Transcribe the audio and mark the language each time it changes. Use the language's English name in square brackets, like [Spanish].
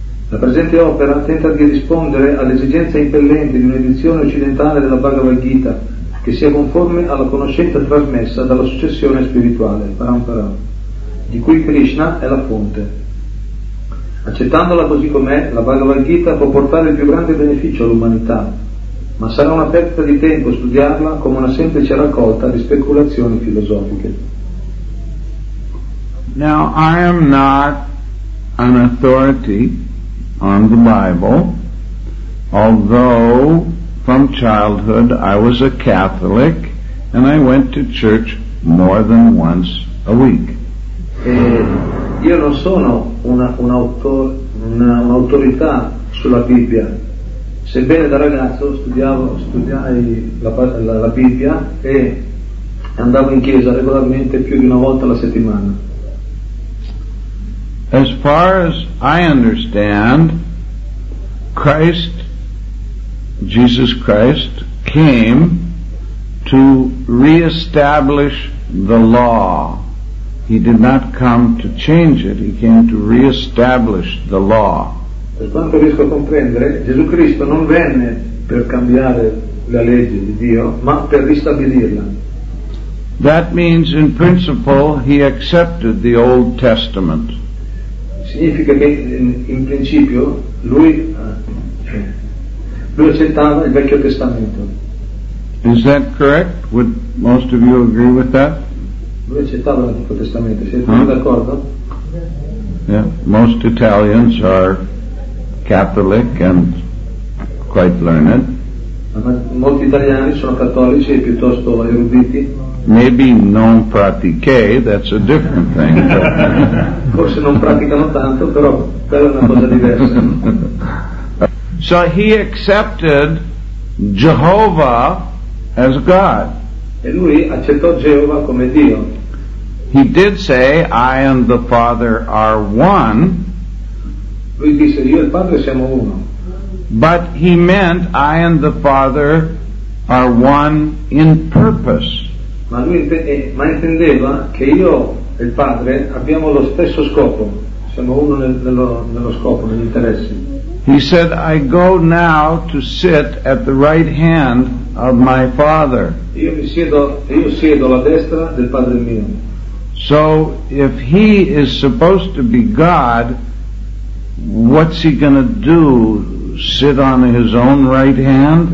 [Italian] La presente opera tenta di rispondere all'esigenza impellente di un'edizione occidentale della Bhagavad Gita che sia conforme alla conoscenza trasmessa dalla successione spirituale, Parampara, di cui Krishna è la fonte. Accettandola così com'è, la Bhagavad Gita può portare il più grande beneficio all'umanità, ma sarà una perdita di tempo studiarla come una semplice raccolta di speculazioni filosofiche. [English] Now, I am not an authority on the Bible, although from childhood I was a Catholic and I went to church more than once a week. [Italian] Io non sono un'autorità sulla Bibbia, sebbene da ragazzo studiai la Bibbia e andavo in chiesa regolarmente più di una volta alla settimana. [English] As far as I understand, Jesus Christ came to reestablish the law. He did not come to change it, he came to reestablish the law. [Italian] Per quanto riesco a comprendere, Gesù Cristo non venne per cambiare la legge di Dio, ma per ristabilirla. [English] That means in principle he accepted the Old Testament. [Italian] Significa che in principio lui accettava il Vecchio Testamento. [English] Is that correct? Would most of you agree with that? [Italian] Lui accettava l'Antico Testamento, siete d'accordo? [English] Yeah, most Italians are Catholic and quite learned. [Italian] Molti italiani sono cattolici e piuttosto eruditi. [English] Maybe [Italian] non pratiche, [English] that's a different thing. [Italian] Forse non praticano tanto, però quella è una cosa diversa. [English] So he accepted Jehovah as God. [Italian] E lui accettò Geova come Dio. [English] He did say, I and the Father are one. [Italian] Lui disse, io e il Padre siamo uno. [English] But he meant, I and the Father are one in purpose. [Italian] Ma intendeva che io e il Padre abbiamo lo stesso scopo, siamo uno nello scopo, negli interessi. [English] He said, I go now to sit at the right hand of my Father. [Italian] Io siedo alla destra del Padre mio. [English] So if he is supposed to be God, what's he going to do? Sit on his own right hand?